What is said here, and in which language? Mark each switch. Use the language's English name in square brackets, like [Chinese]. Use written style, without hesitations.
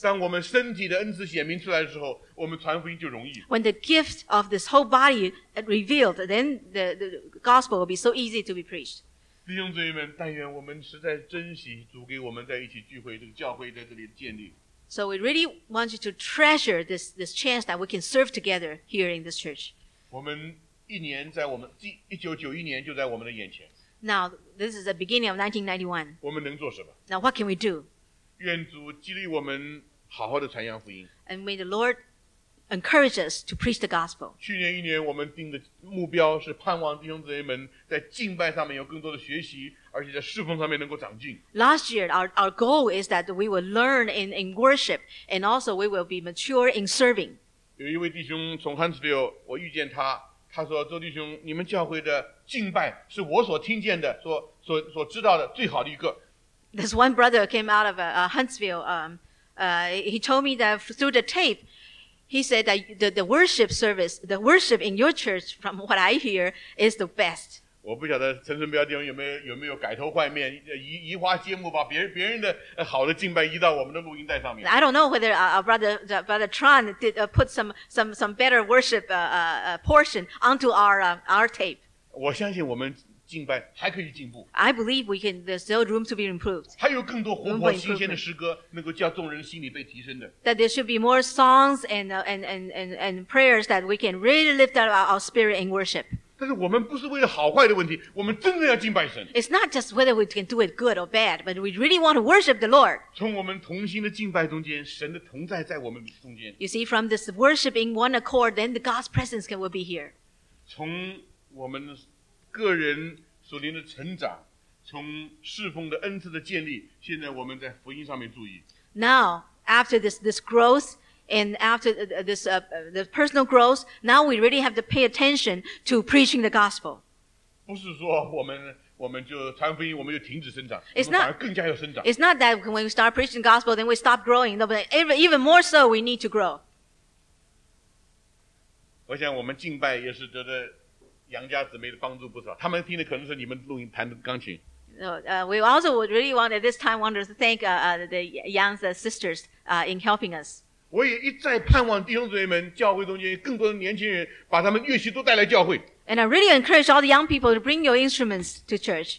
[Chinese] 当我们身体的恩赐显明出来的时候，我们传福音就容易。 [English] When the gift of this whole body revealed, then the gospel will be so easy to be preached. [Chinese] 弟兄姊妹们，但愿我们实在珍惜主给我们在一起聚会这个教会在这里的建立。 [English] So we really want you to treasure this chance that we can serve together here in this church. [Chinese] 我们一年在我们1991年就在我们的眼前。 [English] Now this is the beginning of 1991. [Chinese] 我们能做什么？ [English] Now what can we do? [Chinese] 愿主激励我们好好的传扬福音。 [English] And may the Lord encourage us to preach the gospel. [Chinese] 去年一年我们定的目标是盼望弟兄姊妹们在敬拜上面有更多的学习，而且在侍奉上面能够长进。 [English] Last year, our goal is that we will learn in worship, and also we will be mature in serving. [Chinese] 有一位弟兄从 Huntsville, 我遇见他，他说，周弟兄，你们教会的敬拜是我所听见的，所知道的最好的一个。 [English] This one brother came out of Huntsville. He told me that through the tape, he said that the worship service, the worship in your church, from what I hear, is the best. [Chinese] 我不晓得陈春标弟兄有没有改头换面，移花接木，把别人的好的敬拜移到我们的录音带上面。 [English] I don't know whether our brother Tran did put some better worship portion onto our tape. [Chinese] 我相信我们。敬拜还可以进步。 [English] I believe we can. There's still room to be improved. [Chinese] 还有更多活泼新鲜的诗歌，能够叫众人心里被提升的。 [English] That there should be more songs and prayers that we can really lift up our spirit in worship. [Chinese] 但是我们不是为了好坏的问题，我们真的要敬拜神。 [English] It's not just whether we can do it good or bad, but we really want to worship the Lord. [Chinese] 从我们同心的敬拜中间，神的同在在我们中间。 [English] You see, from this worship in one accord, then the God's presence will be here. [Chinese] 从我们个人属灵的成长，从侍奉的恩赐的建立，现在我们在福音上面注意。 [English] Now, after this growth and after this the personal growth, now we really have to pay attention to preaching the gospel. [Chinese] 不是说我们就传福音，我们就停止生长，我们反而更加要生长。 [English] It's not that when we start preaching the gospel, then we stop growing. No, but even more so, we need to grow. [Chinese] 我想我们敬拜也是得的。杨家姊妹的帮助不少，他们听的可能是你们录音弹的钢琴。 [English] We also would really want at this time want to thank the Yang's sisters in helping us. [Chinese] 我也一再盼望弟兄姊妹们，教会中间更多的年轻人把他们乐器都带来教会。 [English] And I really encourage all the young people to bring your instruments to church.